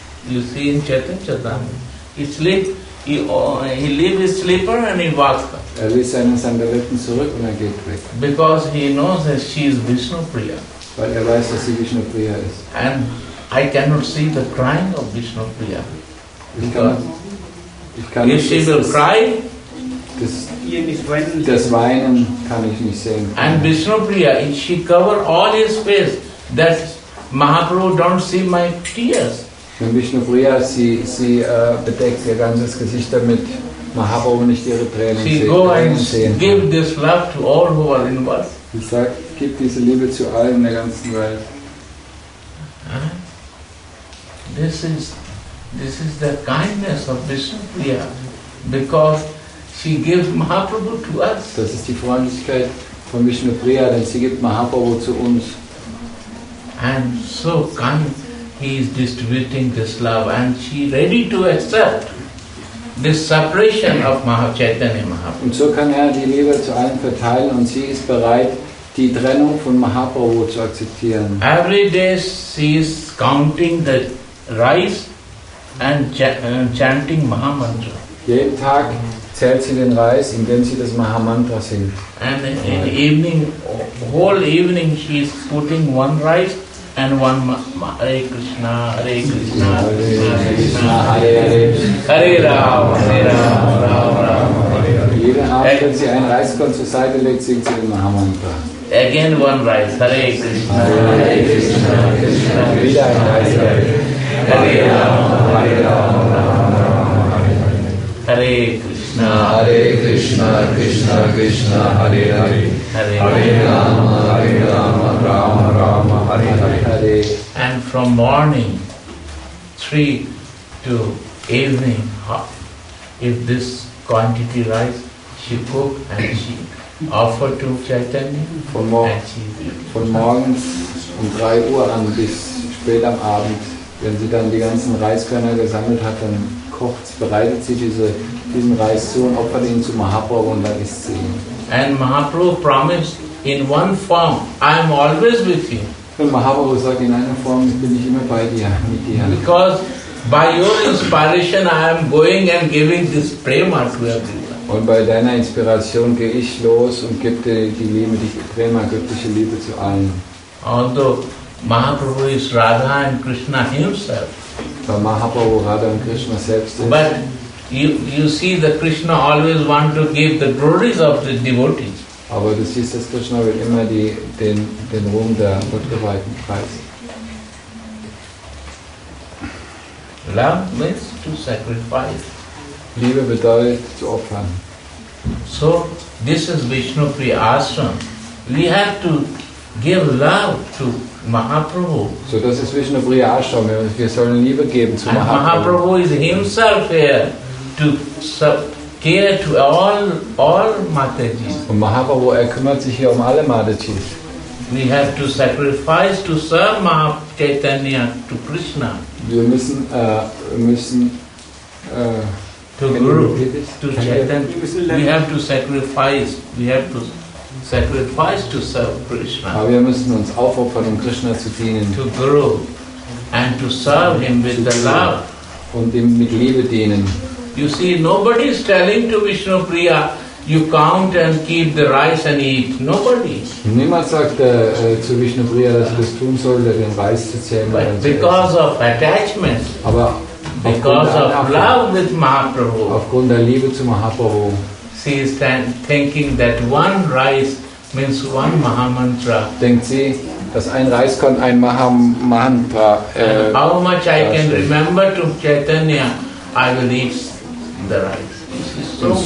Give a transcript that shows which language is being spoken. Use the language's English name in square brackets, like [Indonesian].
[English] You see in Chaitanya Charitamrita, he leave his slipper and he walks. [German] Er ließ seine Sandaletten zurück und er geht weg. [English] Because he knows that she is Vishnu Priya. [German] Weil er weiß, dass sie Vishnu Priya ist. [English] And I cannot see the crying of Vishnupriya. Because if she will cry, [German] das Weinen kann ich nicht sehen. [English] And Vishnupriya, if she cover all his face, that Mahaprabhu don't see my tears. [German] Wenn Vishnupriya, sie bedeckt ihr ganzes Gesicht damit, Mahaprabhu nicht ihre Tränen sehen. [English] She go and give this love to all who are involved. [German] Sie sagt, gib diese Liebe zu allen der ganzen Welt. [English] This is the kindness of Vishnupriya, because she gives Mahaprabhu to us. [German] Das ist die Freundlichkeit von Vishnupriya, denn sie gibt Mahaprabhu zu uns. [English] And so kind, he is distributing this love, and she ready to accept this separation of Mahachaitanya Mahaprabhu. [German] Und so kann er die Liebe zu allen verteilen, und sie ist bereit, die Trennung von Mahaprabhu zu akzeptieren. [English] Every day she is counting the rice and chanting Maha Mantra. [German] Jeden Tag zählt sie den Reis, indem sie das Maha Mantra singt. [English] And in the evening, whole evening she is putting one rice and one Hare Krishna, Hare Krishna, [Sanskrit] Krishna, Hare Krishna, Hare Rama, Hare Rama, Rama Rama. [German] Jeden Abend, wenn sie einen Reiskorn zur Seite legt, singt sie den Maha Mantra. [English] Again one rice, Hare Krishna, [Sanskrit] Hare Krishna, Krishna, Krishna, Krishna, Krishna, Hare Rama, Hare Rama, Rama Rama, Hare Krishna, Hare Krishna, Krishna, Krishna, Hare Hare, Hare Rama, Hare Rama, Rama Rama, Hare Hare, Hare. [English] And from morning 3 to evening, if this quantity rice she cook and she offer to Chaitanya. [German] Von morgens um 3 Uhr an bis spät am Abend, wenn sie dann die ganzen Reiskörner gesammelt hat, dann kocht, bereitet sie diesen Reis zu und opfert ihn zu Mahaprabhu und dann isst sie ihn. [English] And Mahaprabhu promised in one form, I am always with you. [German] Und Mahaprabhu sagt, in einer Form bin ich immer bei dir, mit dir. [English] Because by your inspiration I am going and giving this prema to everyone. [German] Und bei deiner Inspiration gehe ich los und gebe dir die Liebe, die prema, göttliche Liebe zu allen. [English] Although Mahaprabhu is Radha and Krishna himself. [German] Weil Mahaprabhu Radha und Krishna selbst ist. [English] But you see that Krishna always want to give the glories of the devotees. [German] Aber du siehst, dass Krishna will immer den Ruhm der Gottgeweihten preisen. [English] Love means to sacrifice. [German] Liebe bedeutet zu opfern. [English] So, this is Vishnupriya Ashram. We have to give love to Mahaprabhu. [German] So, das ist Vishnupriya Ashram. Wir sollen Liebe geben zu Mahaprabhu. [English] And Mahaprabhu is himself here to care to all Matajis. [German] Und Mahaprabhu, er kümmert sich hier um alle Matajis. [English] We have to sacrifice to serve Mahachaitanya to Krishna. [German] Wir müssen [English] to Guru, to Chaitanya. We have to sacrifice. We have to sacrifice to serve Krishna. [German] Aber wir müssen uns aufopfern, um Krishna zu dienen. [English] To Guru and to serve him with the love. [German] Und ihm mit Liebe dienen. [English] You see, nobody is telling to Vishnupriya, you count and keep the rice and eat. Nobody. [German] Niemand sagt zu Vishnupriya, dass er das tun sollte, den Reis zu zählen. [English] But because of attachment. [German] Aber [English] because of love with Mahaprabhu. [German] Aufgrund der Liebe zu Mahaprabhu. [English] She is thinking that one rice means one Maha Mantra. [German] Denkt sie, dass ein Reiskorn ein Maha Mantra. [English] How much I can remember to Chaitanya, I will eat the rice.